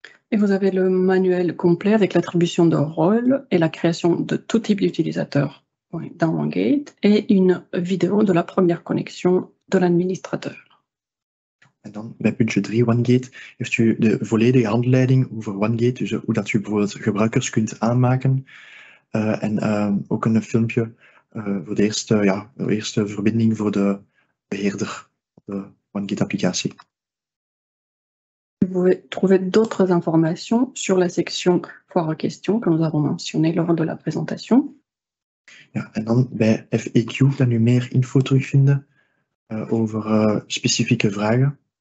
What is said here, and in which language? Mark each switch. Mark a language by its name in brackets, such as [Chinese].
[French] Et vous avez le manuel complet avec l'attribution de rôle et la création de tout type d'utilisateur dans Wingate et une vidéo de la première connexion de l'administrateur. [Dutch] En dan bij puntje 3, Wingate, heeft u de volledige handleiding over Wingate, dus hoe dat u bijvoorbeeld gebruikers kunt aanmaken. Ook een filmpje voor de eerste verbinding voor de beheerder van de Wingate-applicatie. [French] Vous pouvez trouver d'autres informations sur la section foire aux questions que nous avons mentionnée lors de la présentation. [Dutch] Ja, en dan bij FAQ kan u meer info terugvinden over spécifieke vragen.